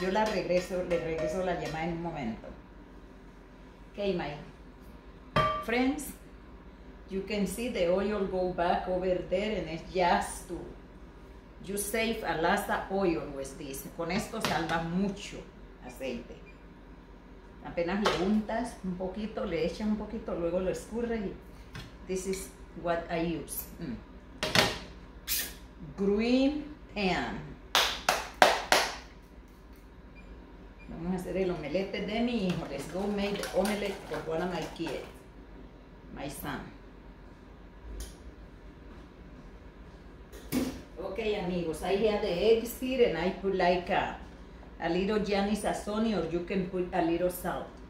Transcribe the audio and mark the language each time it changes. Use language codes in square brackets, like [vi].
[es] Yo la regreso, le regreso la llamada en un momento. [en] Okay, my friends, you can see the oil go back over there and it's just too. You save a lot of oil with this. [es] Con esto salvas mucho aceite. Apenas lo untas un poquito, le echas un poquito, luego lo escurres y [en] this is what I use. Green pan. [es] Vamos a hacer el omelete de mi hijo. [en] Let's go make the omelette for one of my kids. My son. Okay, amigos, I had the eggs here and I put like a little Gianni Sassoni, or you can put a little salt.